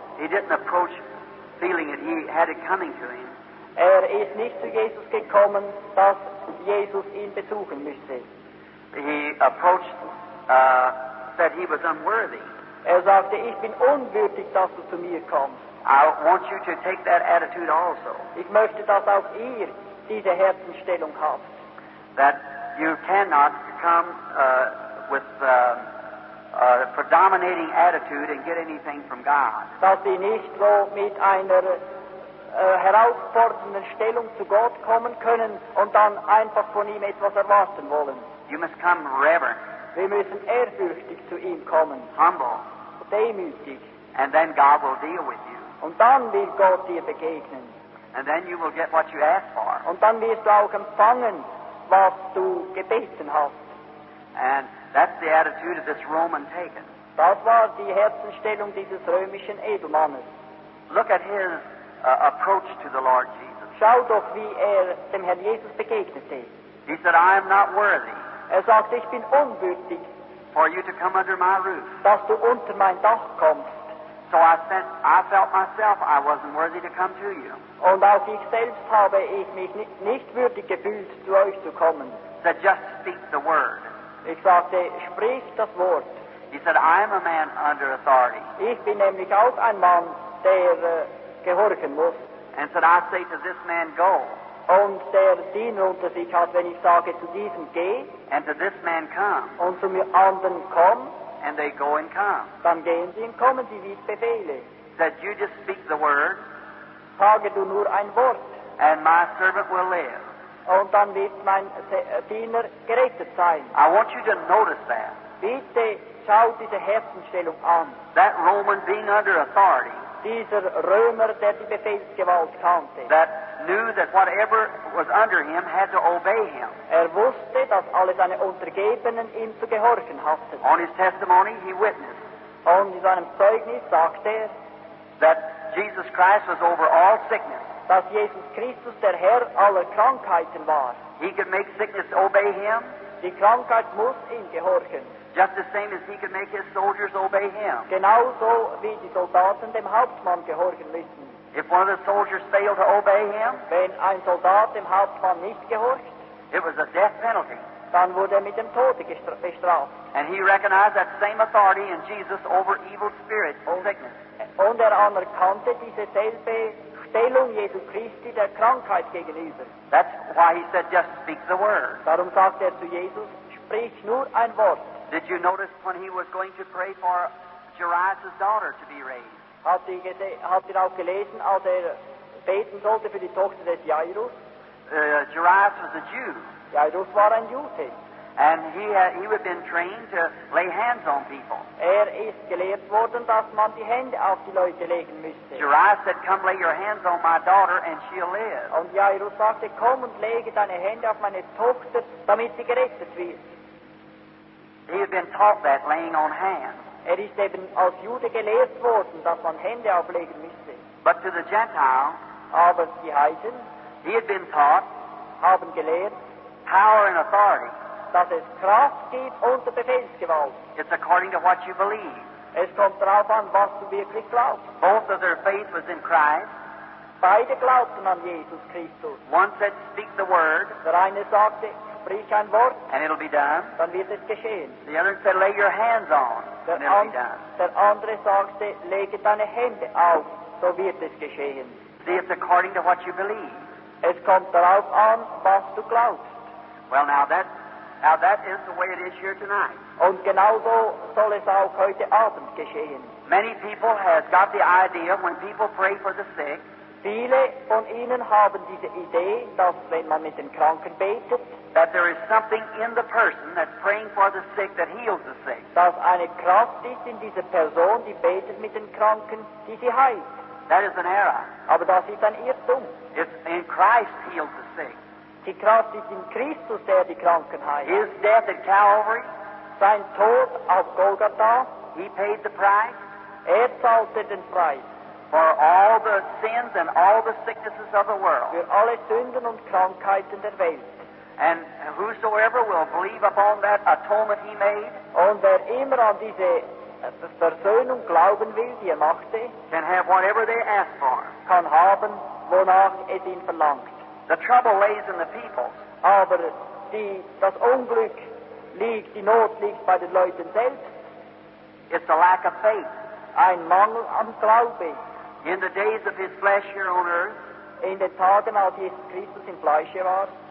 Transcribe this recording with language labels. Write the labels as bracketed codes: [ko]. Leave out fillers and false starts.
[en] He didn't approach feeling it. He had it coming to him. [de] Er ist nicht zu Jesus gekommen, dass Jesus ihn besuchen müsste. [en] He approached, said he was unworthy. [de] Er sagte, ich bin unwürdig, dass du zu mir kommst. [en] I want you to take that attitude also. [de] Ich möchte, dass auch ihr diese Herzenstellung habt. [en] That you cannot come with a predominating attitude and get anything from God. [de] Dass sie nicht so mit einer herausfordernden Stellung zu Gott kommen können und dann einfach von ihm etwas erwarten wollen. [en] You must come reverent. [de] Wir müssen ehrfürchtig zu ihm kommen. [en] Humble. [de] Demütig. [en] And then God will deal with you. [de] Und dann wird Gott dir begegnen. [en] And then you will get what you asked for. [de] Und dann wirst du auch empfangen, was du gebeten hast. [en] And that's the attitude of this Roman pagan. [de] Das war die Herzenstellung dieses römischen Edelmannes. [en] Look at his approach to the Lord Jesus. [de] Schau doch, wie er dem Herrn Jesus begegnete. [en] He said, I am not worthy. [de] Er sagt, ich bin unwürdig. [en] For you to come under my roof. [de] Dass du unter mein Dach kommst. [en] So I felt myself I wasn't worthy to come to you. [de] Und auch ich selbst habe ich mich nicht würdig gefühlt, zu euch zu kommen. [en] So just speak the word. [de] Ich sagte, sprich das Wort. [en] He said, I am a man under authority. [de] Ich bin nämlich auch ein Mann, der gehorchen muss. [en] And said, I say to this man, go. [de] Und der Diener unter sich hat, wenn ich sage, zu diesem geh. [en] And to this man, come. [de] Und zu mir anderen komm. [en] And they go and come. [de] Dann gehen sie und kommen sie, wie ich befehle. [en] Said, you just speak the word. [de] Sage du nur ein Wort. [en] And my servant will live. [de] Und dann wird mein Diener gerettet sein. [en] I want you to notice that. [de] Bitte schau diese Herzenstellung an. [en] That Roman being under authority. [de] Dieser Römer, der die Befehlsgewalt kannte. [en] That knew that whatever was under him had to obey him. [de] Er wusste, dass alle seine Untergebenen ihm zu gehorchen hatten. [en] On his testimony he witnessed. [de] Und in seinem Zeugnis sagte er. [en] That Jesus Christ was over all sickness. [de] Dass Jesus Christus der Herr aller Krankheiten war. [en] He could make sickness obey him. [de] Die Krankheit muss ihm gehorchen. [en] Just the same as he could make his soldiers obey him. [de] Genauso wie die Soldaten dem Hauptmann gehorchen müssen. [en] If one of the soldiers failed to obey him, [de] wenn ein Soldat dem Hauptmann nicht gehorcht, [en] it was a death penalty. [de] Dann wurde er mit dem Tode bestraft. [en] And he recognized that same authority in Jesus over evil spirits and sickness. [de] Und er anerkannte diese selbe Stellung Jesu Christi der Krankheit gegenüber. [en] That's why he said, just speak the word. [de] Darum sagte er zu Jesus, sprich nur ein Wort. [en] Did you notice when he was going to pray for Jairus' daughter to be raised? [de] Habt ihr auch gelesen, als er beten sollte für die Tochter des Jairus? [en] Jairus was a Jew. [de] Jairus war ein Jude. [en] And he had been trained to lay hands on people. [de] Er ist gelehrt worden, dass man die Hände auf die Leute legen müsste. [en] Jairus said, come lay your hands on my daughter and she'll live. [de] Und Jairus sagte, komm und lege deine Hände auf meine Tochter, damit sie gerettet wird. [en] He had been taught that, laying on hands. [de] Er ist eben als Jude gelehrt worden, dass man Hände auflegen müsste. [en] But to the Gentile, [de] aber die Heiden, [en] he had been taught, [de] haben gelehrt, [en] power and authority, [de] dass es Kraft gibt unter Befehlsgewalt. [en] It's according to what you believe. [de] Es kommt darauf an, was du wirklich glaubst. [en] Both of their faith was in Christ. [de] Beide glaubten an Jesus Christus. [en] One said, speak the word. [de] Der eine sagte, sprich ein Wort, [en] and it'll be done. [de] Dann wird es geschehen. [en] The other said, lay your hands on, and it'll be done. [de] Der andere sagte, lege deine Hände auf, so wird es geschehen. [en] See, it's according to what you believe. [de] Es kommt darauf an, was du glaubst. [en] Well, now that is the way it is here tonight. [de] Und genauso soll es auch heute Abend geschehen. [en] Many people have got the idea when people pray for the sick. [de] Viele von ihnen haben diese Idee, dass wenn man mit den Kranken betet, [en] that there is something in the person that's praying for the sick that heals the sick. [de] Dass eine Kraft ist in dieser Person, die betet mit den Kranken, die sie heilt. [en] That is an error. [de] Aber das ist ein Irrtum. [en] It's in Christ heals the sick. [de] Die Kraft ist in Christus, der die Kranken heilt. [en] His death at Calvary, [de] sein Tod auf Golgatha, [en] he paid the price, [de] er zahlte den Preis, [en] for all the sins and all the sicknesses of the world, [de] für alle Sünden und Krankheiten der Welt. [en] And whosoever will believe upon that atonement he made, [de] und wer immer an diese Versöhnung glauben will, die er machte, [en] can have whatever they ask for, [de] kann haben, wonach es ihn verlangt. [en] The trouble lays in the people. [de] Aber das Unglück liegt, die Not liegt bei den Leuten selbst. [en] It's a lack of faith. [de] Ein Mangel am Glauben. [en] In the days of his flesh here on earth, [de] in den Tagen, als Jesus Christus im Fleisch hier war,